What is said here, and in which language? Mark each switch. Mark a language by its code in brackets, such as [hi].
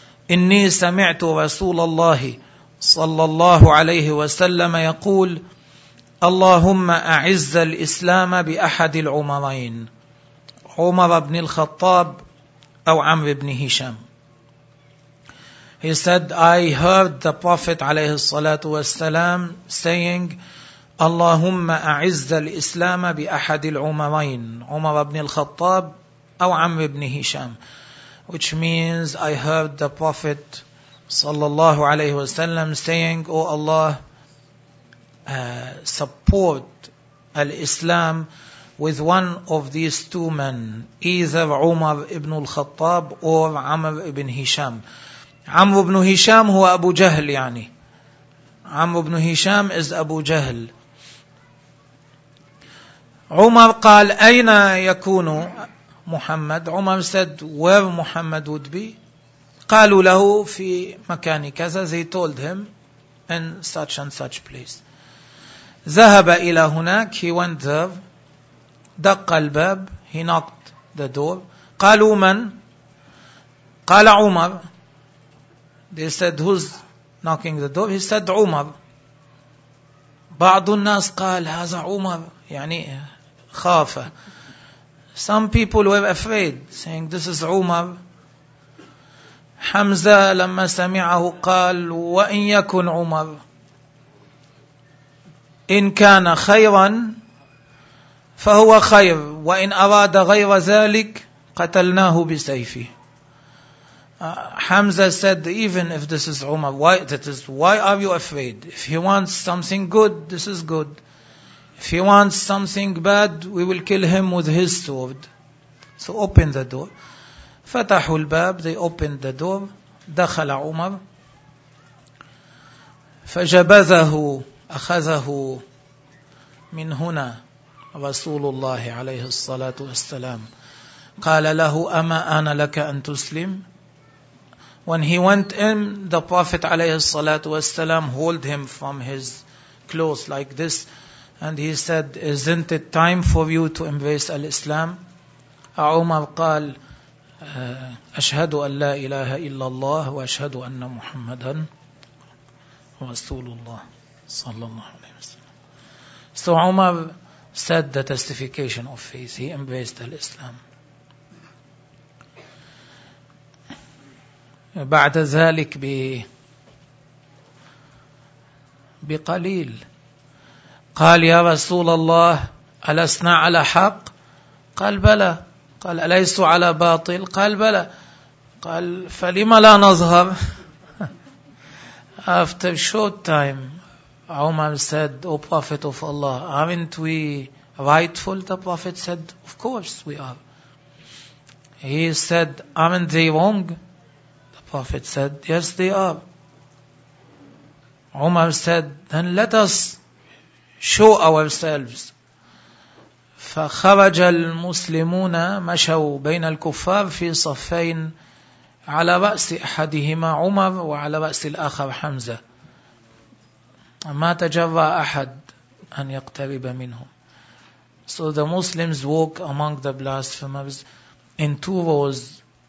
[ar] إني سمعت رسول الله صلى الله عليه وسلم يقول اللهم أعز الإسلام بأحد العمرين. عمر بن الخطاب أو عمرو بن هشام. [en] He said, I heard the Prophet [ar] عليه الصلاة والسلام [en] saying, [ar] اللهم أعز الإسلام بأحد العمرين. عمر بن الخطاب أو عمرو بن هشام. [en] Which means, I heard the Prophet [ar] صلى الله عليه وسلم [en] saying, oh Allah, support al-Islam with one of these two men, either Umar ibn al-Khattab or Amr ibn Hisham. Amr ibn Hisham [ar] هو [en] Abu Jahl يعني. Amr ibn Hisham is Abu Jahl. [ar] Umar قال أين يكون محمد. [en] Umar said, where Muhammad would be. [ar] قالوا له في مكان كذا. [en] They told him, in such and such place. [ar] ذهب إلى هناك. [en] He went there. [ar] دق الباب. [en] He knocked the door. [ar] قالوا من. قال عمر. [en] They said, who's knocking the door? He said, عمر. [ar] بعض الناس قال هذا عمر يعني خاف. [en] Some people were afraid, saying, this is عمر. [ar] حمزة لما سمعه قال وإن يكن عمر إن كان خيرا فهو خير وإن أراد غير ذلك قتلناه بسيفه. [en] Hamza said, even if this is Umar, why are you afraid? If he wants something good, this is good. If he wants something bad, we will kill him with his sword. So open the door. [ar] فَتَحُوا الْبَابِ, [en] they opened the door. [ar] دَخَلَ عُمَرْ فَجَبَذَهُ أَخَذَهُ مِنْ هُنَا رَسُولُ اللَّهِ عَلَيْهِ الصَّلَاةُ وَالسَّلَامُ قَالَ لَهُ أَمَا أَنَا لَكَ أَنْ تُسْلِمْ. [en] When he went in, the Prophet [ar] عليه الصلاة والسلام [en] hold him from his clothes like this, and he said, isn't it time for you to embrace al-Islam? [ar] عُمَرْ قَالَ أشهد أن لا إله إلا الله وأشهد أن محمدا رسول الله صلى الله عليه وسلم. [en] So Umar said the testification of faith. He embraced Islam. [ar] بعد ذلك بقليل قال يا رسول الله ألسنا على حق؟ قال بلى. قال أليس على باطل؟ قال بلى. قال فلما لا نظهر؟ [en] After short time, Umar said, O Prophet of Allah, aren't we rightful? The Prophet said, of course we are. He said, aren't they wrong? The Prophet said, yes they are. Umar said, then let us show ourselves. [ar] فخرج المسلمون مشوا بين الكفار في صفين على رأس أحدهما عمر وعلى رأس الآخر حمزة ما تجرأ أحد أن يقترب منهم. [en] So the Muslims walk among the blasphemers in two rows.